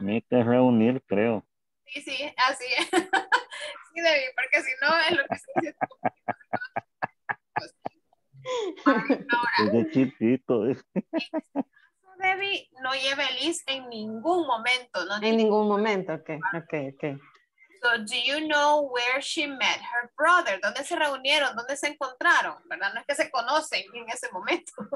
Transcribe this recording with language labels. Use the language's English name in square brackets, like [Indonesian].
[Spanish] Meet es reunir, creo. Sí, sí, así es. Sí, David, porque si no es lo que se dice. Ahora, es de chiquito. En este caso, David, no lleva el is en ningún momento. No en ningún momento, okay. [English] So, do you know where she met her brother? [Spanish] ¿Dónde se reunieron? ¿Dónde se encontraron? ¿Verdad? No es que se conocen en ese momento.